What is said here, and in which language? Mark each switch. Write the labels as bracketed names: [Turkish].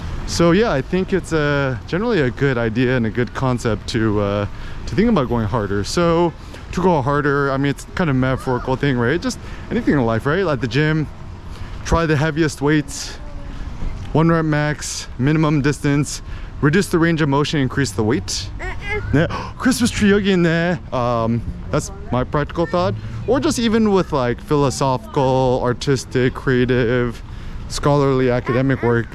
[English] So yeah, I think it's generally a good idea and a good concept to think about going harder. So to go harder, I mean, it's kind of a metaphorical thing, right? Just anything in life, right? Like the gym, try the heaviest weights, 1 rep max, minimum distance, reduce the range of motion, increase the weight. [Korean] 네, 크리스마스 트리 여기 있네. [English] That's my practical thought. Or just even with like philosophical, artistic, creative, scholarly, academic work.